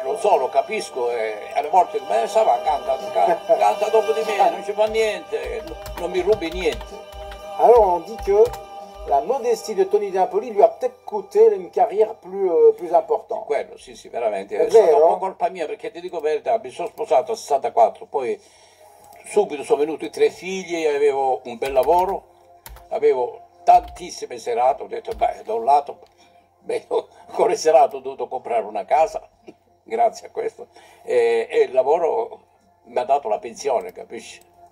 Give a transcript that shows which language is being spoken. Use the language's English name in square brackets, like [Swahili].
[Italian] lo so, lo capisco, alle volte ma [French] sa va [Italian] canta dopo di me, non ci fa niente, non mi rubi niente. [French] Allora on dit que la modestie de Tony Di Napoli lui a peut-être coûté une carrière plus importante. [Italian] Quello, sì, veramente. È stata un po' colpa mia, perché ti dico la verità, mi sono sposato a 64, poi subito sono venuti 3 figli, avevo un bel lavoro, avevo tantissime serate, ho detto, beh, da un lato, con le serate ho dovuto comprare una casa, grazie a questo, e il lavoro mi ha dato la pensione, capisci?